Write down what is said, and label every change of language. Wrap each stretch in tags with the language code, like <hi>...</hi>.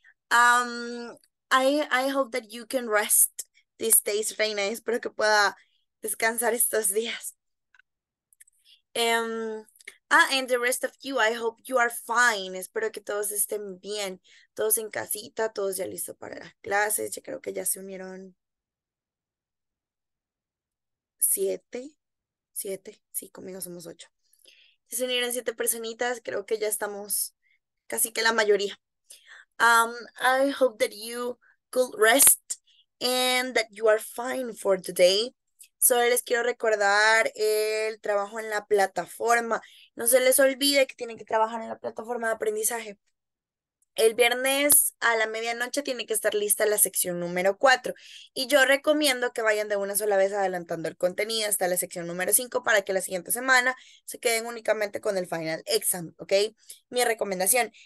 <en>I hope that you can rest these days, Reina.</en> <es>Espero que pueda descansar estos días.</es> <en>And the rest of you, I hope you are fine.</en> <es>Espero que todos estén bien. Todos en casita, todos ya listos para las clases. Ya creo que ya se unieron. Siete. Siete. Sí, conmigo somos ocho. Ya se unieron siete personitas. Creo que ya estamos casi que la mayoría.</es> <en>I hope that you could rest and that you are fine for today.</en> <es>Solo les quiero recordar el trabajo en la plataforma. No se les olvide que tienen que trabajar en la plataforma de aprendizaje. El viernes a la medianoche tiene que estar lista la sección número 4. Y yo recomiendo que vayan de una sola vez adelantando el contenido hasta la sección número 5 para que la siguiente semana se queden únicamente con el final exam, ¿ok? Mi recomendación.</es>